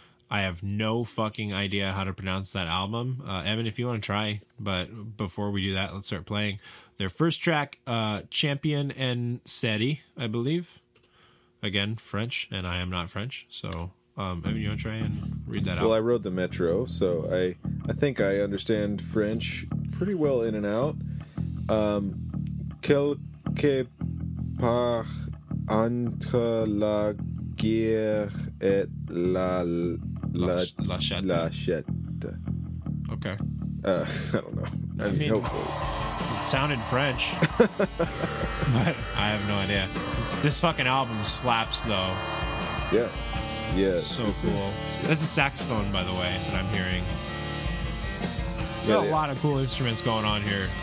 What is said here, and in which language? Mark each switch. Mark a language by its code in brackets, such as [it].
[en] I have no fucking idea how to pronounce that album. Evan, if you want to try, but before we do that, let's start playing their first track, Champion and Seti, I believe. Again, French, and I am not French, so Evan, you want to try and read that out? Well, I rode the Metro, so I think I understand French pretty well in and out. [fr] Quelque part entre la guerre et la chatte. [en] Okay. I don't know. I mean no clue. It sounded French, but I have no idea. This fucking album slaps, though. Yeah. Yeah, so cool. There's a saxophone, by the way, that I'm hearing. Yeah, a lot of cool instruments going on here.